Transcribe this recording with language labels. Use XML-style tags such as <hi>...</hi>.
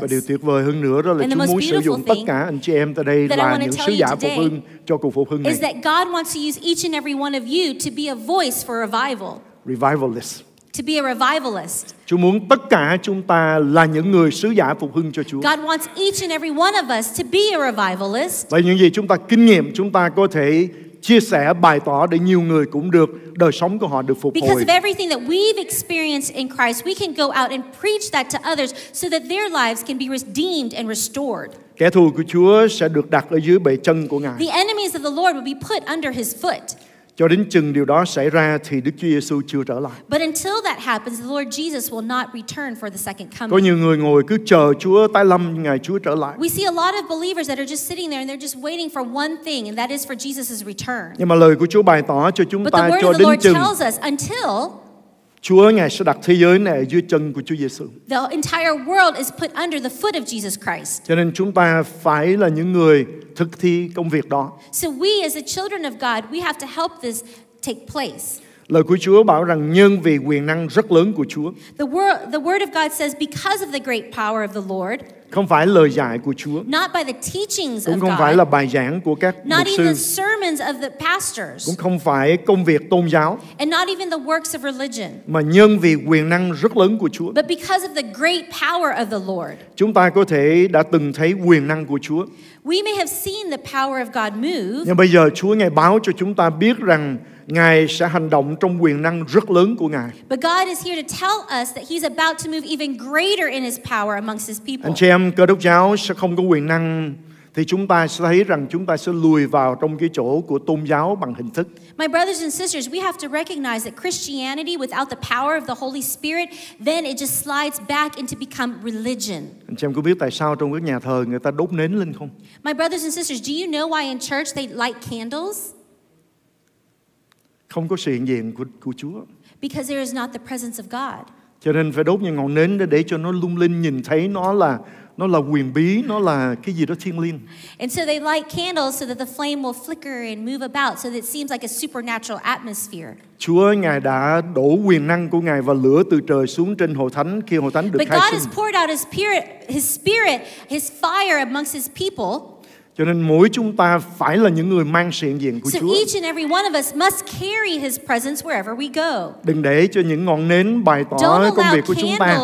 <vi>Và điều tuyệt vời hơn nữa đó là Chúa muốn sử dụng tất cả anh chị em tại đây là những sứ giả phục hưng cho cuộc phục hưng này.</vi> <en>Is that God wants to use each and every one of you to be a voice for revival. Revivalist. To be a revivalist.</en> <vi>Chúa muốn tất cả chúng ta là những người sứ giả phục hưng cho Chúa.</vi> <en>God wants each and every one of us to be a revivalist.</en> <vi>Và những gì chúng ta kinh nghiệm, chúng ta có thể chia sẻ bài tỏ để nhiều người cũng được đời sống của họ được phục hồi.</vi> <en>Because of everything that we've experienced in Christ, we can go out and preach that to others so that their lives can be redeemed and restored.</en> <vi>Kẻ thù của Chúa sẽ được đặt ở dưới bệ chân của Ngài.</vi> <en>The enemies of the Lord will be put under His foot.</en> <vi>Cho đến chừng điều đó xảy ra thì Đức Chúa Giêsu chưa trở lại.</vi> <en>But until that happens, the Lord Jesus will not return for the second coming.</en> <vi>Có nhiều người ngồi cứ chờ Chúa tái lâm ngày Chúa trở lại.</vi> <en>We see a lot of believers that are just sitting there and they're just waiting for one thing and that is for Jesus's return.</en> <vi>Nhưng mà lời của Chúa bày tỏ cho chúng</vi> <en>but</en> <vi>ta cho đến chừng.</vi> <en>But the Lord tells us until</en> <vi>Chúa Ngài sẽ đặt thế giới này dưới chân của Chúa Giêsu.</vi> <en>The entire world is put under the foot of Jesus Christ.</en> <vi>Cho nên chúng ta phải là những người thực thi công việc đó.</vi> <en>So we as the children of God, we have to help this take place.</en> <vi>Lời của Chúa bảo rằng nhân vì quyền năng rất lớn của Chúa.</vi> <en>The word of God says because of the great power of the Lord.</en> <vi>Không phải lời dạy của Chúa.</vi> <en>Not by the teachings</en> <vi>cũng</vi> <en>of</en> <vi>không</vi> <en>God,</en> <vi>phải là bài giảng của các</vi> <en>not</en> <vi>mục sư.</vi> <en>Even the sermons of the pastors,</en> <vi>cũng không phải công việc tôn giáo.</vi> <en>And not even the works of religion,</en> <vi>mà nhân vì quyền năng rất lớn của Chúa.</vi> <en>But because of the great power of the Lord.</en> <vi>Chúng ta có thể đã từng thấy quyền năng của Chúa.</vi> <en>We may have seen the power of God move.</en> <vi>Nhưng bây giờ Chúa Ngài báo cho chúng ta biết rằng Ngài sẽ hành động trong quyền năng rất lớn của Ngài.</vi> <en>But God is here to tell us that He's about to move even greater in His power amongst His people.</en> <vi>Anh chị em, Cơ Đốc giáo sẽ không có quyền năng thì chúng ta sẽ thấy rằng chúng ta sẽ lùi vào trong cái chỗ của tôn giáo bằng hình thức.</vi> <en>My brothers and sisters, we have to recognize that Christianity without the power of the Holy Spirit, then it just slides back into become religion.</en> <vi>Anh chị em có biết tại sao trong các nhà thờ người ta đốt nến lên không?</vi> <en>My brothers and sisters, do you know why in church they light candles?</en> <vi>Không có sự hiện diện của Chúa.</vi> <en>Because there is not the presence of God.</en> <vi>Cho nên phải đốt những ngọn nến để cho nó lung linh, nhìn thấy nó là quyền bí, nó là cái gì đó thiêng liêng.</vi> <en>And so they light candles so that the flame will flicker and move about so that it seems like a supernatural atmosphere.</en> <vi>Chúa Ngài đã đổ quyền năng của Ngài và lửa từ trời xuống trên hội thánh khi hội thánh được khai sinh.</vi> <en>But God has poured out his spirit, his fire amongst his people.</en> <vi>Cho nên mỗi chúng ta phải là những người mang sự hiện diện của Chúa.</vi> <en>So each and every one of us must carry his presence wherever we go.</en> <vi>Đừng để cho những ngọn nến bày tỏ công việc của chúng ta.</vi>